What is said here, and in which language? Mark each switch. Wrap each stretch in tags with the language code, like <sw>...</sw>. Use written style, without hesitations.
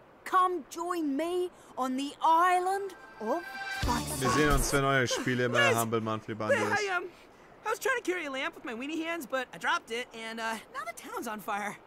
<en>Come join me on the island of Bice.</en> <de>Wir sehen uns für neue Spiele in meiner Humble Monthly Bundle.</de> <en>I was trying to carry a lamp with my weenie hands, but I dropped it, and now the town's on fire.</en>